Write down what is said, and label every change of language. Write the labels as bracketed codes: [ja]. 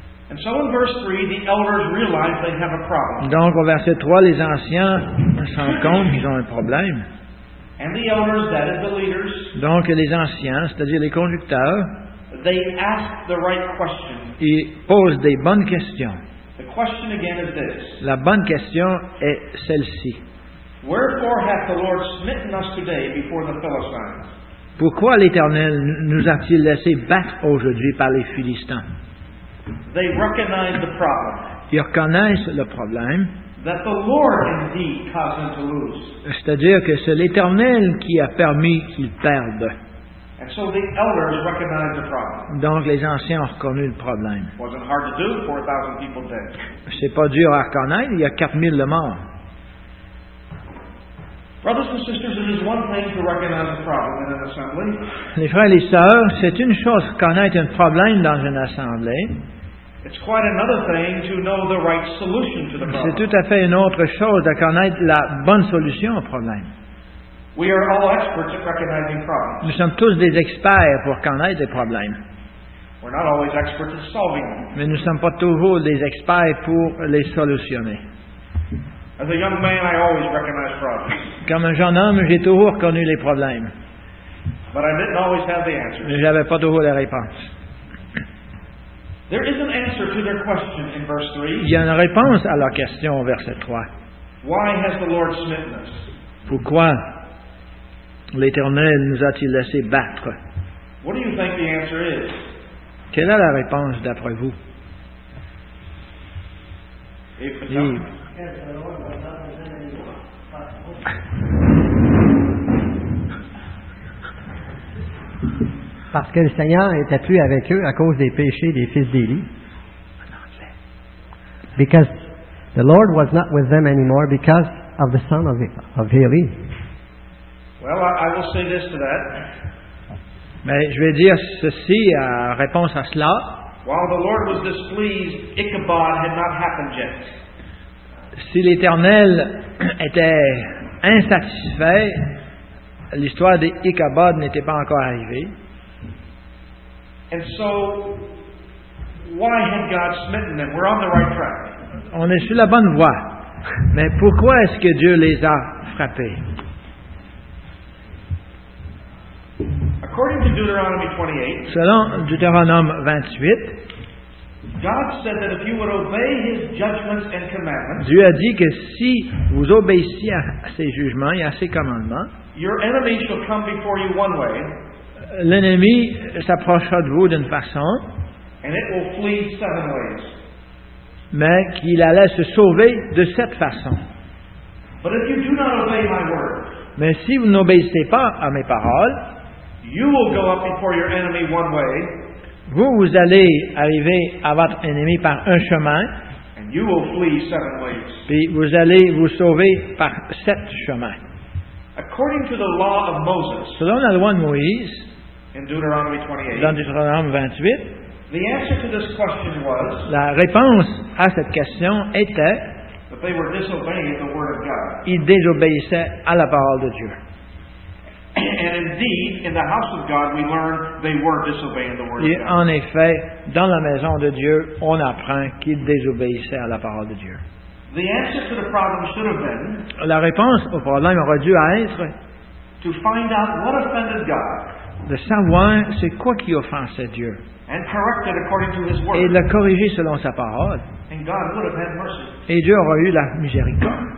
[en] And so in verse 3, the elders realize they have a problem. [fr] Donc au verset 3, les anciens s'en comptent qu'ils ont un problème. [en] And the elders, that is the leaders, [fr] donc les anciens, c'est-à-dire les conducteurs, [en] they ask the right question. [fr] Ils posent des bonnes questions. [en] The question again is this. [fr] La bonne question est celle-ci. [en] Wherefore hath the Lord smitten us today before the Philistines? [fr] Pourquoi l'Éternel nous a-t-il laissé battre aujourd'hui par les Philistins? [en] They recognize the problem. [fr] Ils reconnaissent le problème. [en] That the Lord indeed caused them to lose. [fr] C'est-à-dire que c'est l'Éternel qui a permis qu'ils perdent. [en] And so the elders recognize the problem. [fr] Donc les anciens ont reconnu le problème. [en] Was it hard to do? 4,000 people dead. [fr] C'est pas dur à reconnaître. Il y a 4,000 de morts. [en] Brothers and sisters, it is one thing to recognize a problem in an assembly. [fr] Les frères et les sœurs, c'est une chose de connaître un problème dans une assemblée. [en] It's quite another thing to know the right solution to the problem. [fr] C'est tout à fait une autre chose de connaître la bonne solution au problème. [en] We are all experts at recognizing problems. [fr] Nous sommes tous des experts pour connaître des problèmes. [en] We're not always experts at solving them. [fr] Mais nous ne sommes pas toujours des experts pour les solutionner. [en] As a young man, I always recognized problems. [fr] Comme un jeune homme, j'ai toujours connu les problèmes. [en] But I didn't always have the answers. [fr] Mais je n'avais pas toujours les réponses. [en] There is an answer to their question in verse 3. [fr] Il y a une réponse à leur question au verset 3. [en] Why has the Lord smitten us? [fr] Pourquoi l'Éternel nous a-t-il laissé battre? [en] What do you think the answer is? [fr] Quelle est la réponse d'après vous? [en] Yes, [fr] parce que le Seigneur n'était plus avec eux à cause des péchés des fils d'Élie. [en] Because the Lord was not with them anymore because of the son of Eli. Well, I will say this to that. [fr] Mais je vais dire ceci en réponse à cela. [en] While the Lord was displeased, Ichabod had not happened yet. [fr] Si l'Éternel était insatisfait, l'histoire d'Ichabod n'était pas encore arrivée. [en] And so, why had God smitten them? We're on the right track. [fr] On est sur la bonne voie. Mais pourquoi est-ce que Dieu les a frappés? [en] According to Deuteronomy 28, [fr] selon Deutéronome 28, [en] God said that if you would obey his judgments and commandments, [fr] Dieu a dit que si vous obéissiez à ses jugements et à ses commandements, [en] your enemy shall come before you one way, [fr] l'ennemi s'approchera de vous d'une façon, [en] and it will flee seven ways. [fr] Mais qu'il allait se sauver de cette façon. [en] But if you do not obey my word, [fr] mais si vous n'obéissez pas à mes paroles, [en] you will go up before your enemy one way, [fr] vous allez arriver à votre ennemi par un chemin, [en] and you will flee seven ways. [fr] Puis vous allez vous sauver par sept chemins. [en] According to the law of Moses, [fr] selon la loi de Moïse, [en] in Deuteronomy 28, [fr] dans Deutéronome 28, [en] the answer to this question was, [fr] la réponse à cette question était [en] that they were disobeying the word of God. [fr] Ils désobéissaient à la parole de Dieu. [en] And indeed, in the house of God, we learn they were disobeying the word of [fr] God. Et en effet, dans la maison de Dieu, on apprend qu'ils désobéissaient à la parole de Dieu. [en] The answer to the problem should have been, [fr] la réponse au problème aurait dû être [en] to find out what offended God, [fr] de savoir c'est quoi qui offensait Dieu, [en] and correct it according to his word, [fr] et de le corriger selon sa parole, [en] and God would have had mercy. [fr] Et Dieu aurait eu la miséricorde.